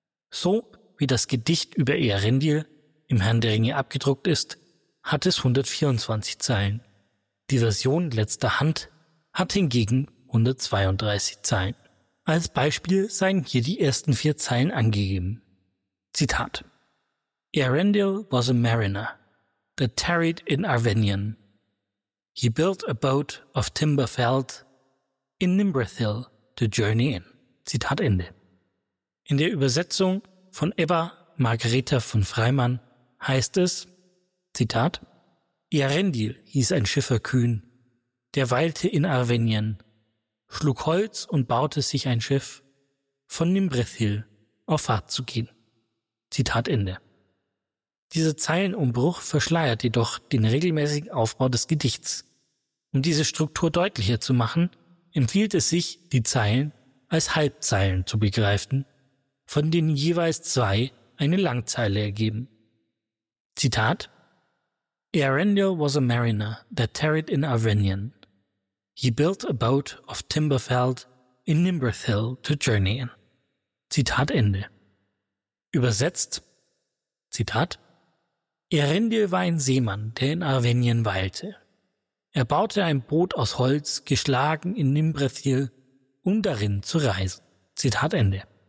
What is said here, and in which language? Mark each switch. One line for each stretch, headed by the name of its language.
German: So wie das Gedicht über Earendil im Herrn der Ringe abgedruckt ist, hat es 124 Zeilen. Die Version letzter Hand hat hingegen 132 Zeilen. Als Beispiel seien hier die ersten vier Zeilen angegeben. Zitat:
English: Earendil was a mariner that tarried in Arvenion. He built a boat of timber felled in Nimbrethil to journey in.
German: Zitat Ende. In der Übersetzung von Ebba Margareta von Freimann heißt es, Zitat: Earendil hieß ein Schiffer kühn, der weilte in Arvenien, schlug Holz und baute sich ein Schiff, von Nimbrethil auf Fahrt zu gehen. Zitat Ende. Dieser Zeilenumbruch verschleiert jedoch den regelmäßigen Aufbau des Gedichts. Um diese Struktur deutlicher zu machen, empfiehlt es sich, die Zeilen als Halbzeilen zu begreifen, von denen jeweils zwei eine Langzeile ergeben. Zitat:
English: Earendil was a mariner that tarried in Arvenion. He built a boat of timber felled in Nimbrethil to journey in.
German: Zitat Ende. Übersetzt: Zitat: Earendil war ein Seemann, der in Arvenion weilte. Er baute ein Boot aus Holz, geschlagen in Nimbrethil, um darin zu reisen. Zitat Ende.